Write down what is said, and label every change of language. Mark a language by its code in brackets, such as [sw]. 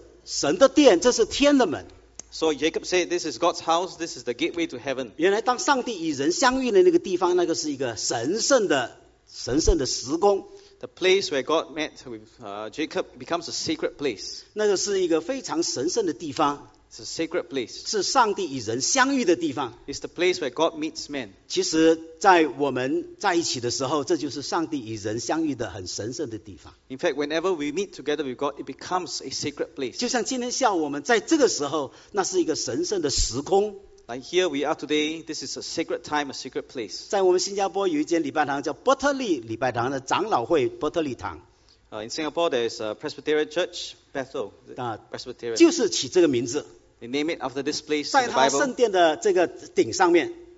[zh] 那这里说，这雅各说，这是神的殿，这是天的门。 [en] So Jacob said, "This is God's house. This is the gateway to heaven." [zh] 原来，当上帝与人相遇的那个地方，那个是一个神圣的时空。 [en] The place where God met with Jacob becomes a sacred place. [zh] 那个是一个非常神圣的地方。 [en] It's a sacred place. [zh] 是上帝与人相遇的地方。 [en] It's the place where God meets man. [zh] 其实在我们在一起的时候， 这就是上帝与人相遇的很神圣的地方。 [en] In fact, whenever we meet together with God, it becomes a sacred place. [zh] 就像今天下午我们在这个时候， 那是一个神圣的时空。 [en] Like here we are today, this is a sacred time, a sacred place. [zh] 在我们新加坡有一间礼拜堂叫伯特利礼拜堂的长老会伯特利堂。 [en] In Singapore, there is a Presbyterian church, Bethel Presbyterian. [zh] 就是起这个名字。 [en] They name it after this place in the Bible. [zh] 在他圣殿的这个顶上面，